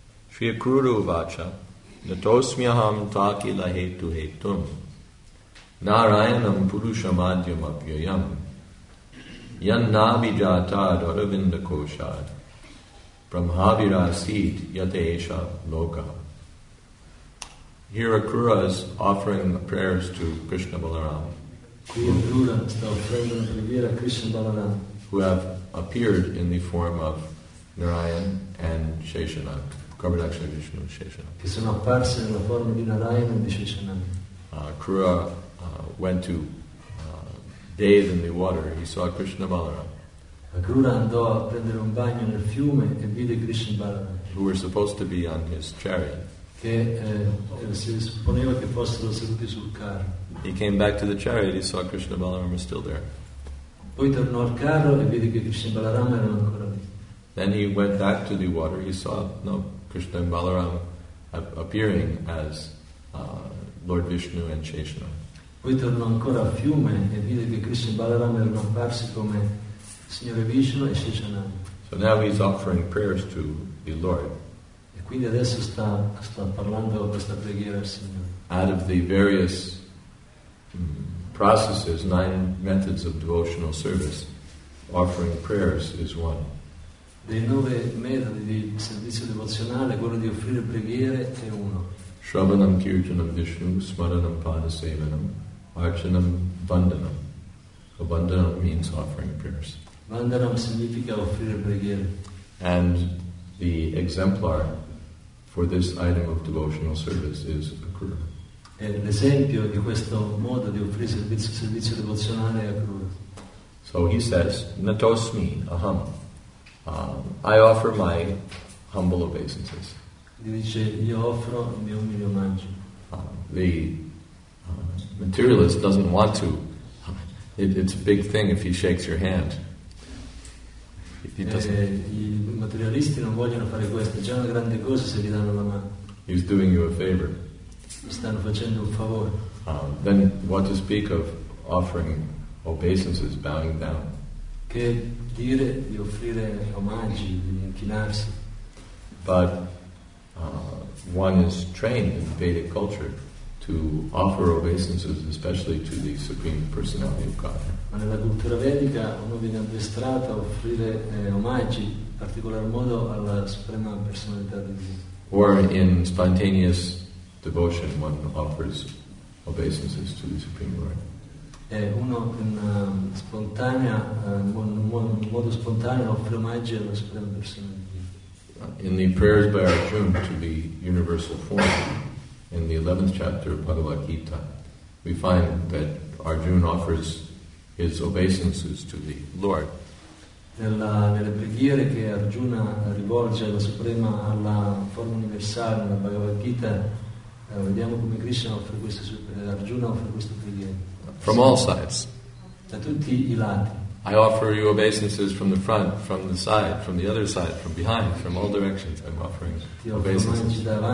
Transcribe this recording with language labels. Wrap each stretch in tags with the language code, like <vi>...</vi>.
<sa>Shri Akrura Uvacha. Natosmyaham takila hetu hetum Narayanam purushamadyam avyayam Yannabi jatad aravinda koshad Brahmavirasid yate esha loka.</sa> <en>Here Akrura is offering prayers to Krishna Balaram. Who have appeared in the form of Narayan and Sheshanag. Karmadakshana Vishnu and Sheshanam.</en> <it>Che sono apparsi nella forma di Narayana e di Sheshanam.</it> <en>Akrura went to bathe in the water. He saw Krishna Balaram.</en> <it>Akrura andò a prendere un bagno nel fiume e vide Krishna Balaram.</it> <en>Who were supposed to be on his chariot.</en> <it>Che si supponeva che fossero seduti sul carro.</it> <en>He came back to the chariot. He saw Krishna Balaram was still there.</en> <it>Poi tornò al carro e vide che Krishna Balaram era ancora lì.</it> <en>Then he went back to the water. He saw no Krishna and Balaram appearing as Lord Vishnu and Sheshanam.</en> <it>Poi tornò ancora al fiume e vide che Krishna e Balaram erano apparsi come Signore Vishnu e Sheshanam.</it> <en>So now he's offering prayers to the Lord.</en> <it>E quindi adesso sta parlando questa preghiera al Signore.</it> <en>Out of the various processes, nine methods of devotional service, offering prayers is one.</en> <it>Dei nove metodi di servizio devozionale, quello di offrire preghiere è uno.</it> <sa>Shravanam Kirtanam Vishnu, Smaranam Padasevanam, Archanam Vandanam.</sa> <en>Vandanam means offering prayers.</en> <it>Vandanam significa offrire preghiere.</it> <en>And the exemplar for this item of devotional service is Akrura.</en> <it>E l'esempio di questo modo di offrire servizio devozionale è Akrura.</it> <en>So he says,</en> <sa>Natosmi, aham.</sa> <en>I offer my humble obeisances.</en> <it>Dice, io offro il mio umile omaggio.</it> <en>The materialist doesn't want to. It's a big thing if he shakes your hand.</en> <it>I materialisti non vogliono fare questo. È già una grande cosa se gli danno la mano.</it> <en>He's doing you a favor.</en> <it>Stanno facendo un favore.</it> <en>Then what to speak of offering obeisances, bowing down?</en> <it>Che dire di offrire omaggi, di inchinarsi?</it> <en>But one is trained in Vedic culture to offer obeisances, especially to the Supreme Personality of God.</en> <it>Ma nella cultura vedica uno viene addestrato a offrire omaggi, in particolar modo alla Suprema Personalità di Dio.</it> <en>Or in spontaneous devotion, one offers obeisances to the Supreme Lord.</en> <it>Uno in spontanea, modo spontaneo offre omaggi alla Suprema Personalità di Dio.</it> <en>In the prayers by Arjuna to the universal form, in the 11th chapter of Bhagavad Gita, we find that Arjuna offers his obeisances to the Lord.</en> <it>Nelle preghiere che Arjuna rivolge alla Suprema, alla forma universale, nella Bhagavad Gita, vediamo come Arjuna offre queste preghiere.</it> <en>From all sides.</en> <it>Da tutti I lati.</it> <en>I offer you obeisances from the front, from the side, from the other side, from behind, from all directions. I'm offering obeisances.</en>